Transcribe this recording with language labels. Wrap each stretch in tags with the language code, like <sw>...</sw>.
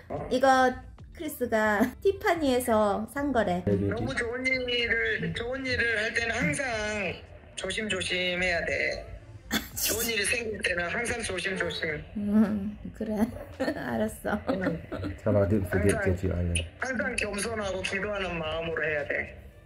<ko>이거 크리스가 티파니에서 산 거래. 너무 좋은 일을 할 때는 항상 조심조심 해야 돼. 좋은 일이 생길 때는 항상 조심조심. 그래. 알았어.</ko> <en>Tell her I didn't forget to give you any.</en> <ko>항상 겸손하고 기도하는 마음으로 해야 돼.</ko>